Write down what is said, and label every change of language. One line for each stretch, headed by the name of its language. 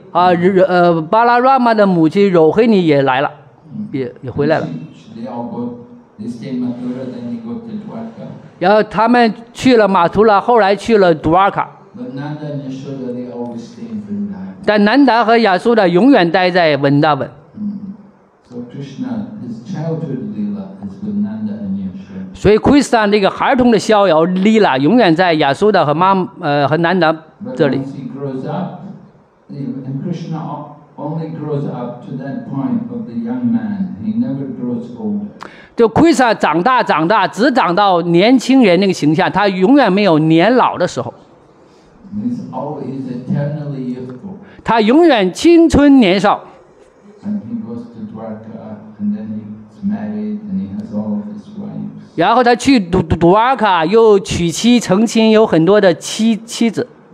Chinese: Rohini, Balarama 的母亲 Rohini 也来了，也回来了。
English: They all go. They stay in Mathura, then they go to Dwarka.
Chinese: 然后他们去了马图拉，后来去了 Dwarka。
English: But Nanda and Yashoda, they always stay in Vrindavan.
Chinese: 但南达和亚苏的永远待在文达本。
English: So Krishna, his childhood lila is with Nanda and Yashoda.
Chinese: 所以 Krishna 那个孩童的逍遥 lila 永远在亚苏达和妈和南达这里。
English: But once he grows up, and Krishna only grows up to that point of the young man. He never grows older.
Chinese: 就 Krishna 长大，只长到年轻人那个形象，他永远没有年老的时候。
English: He's always eternally youthful.
Chinese: 他永远青春年少。
English: And he goes to Dwarka, and then he's married, and he has all of his wives.
Chinese: 然后他去杜瓦卡又娶妻成亲，有很多的妻子。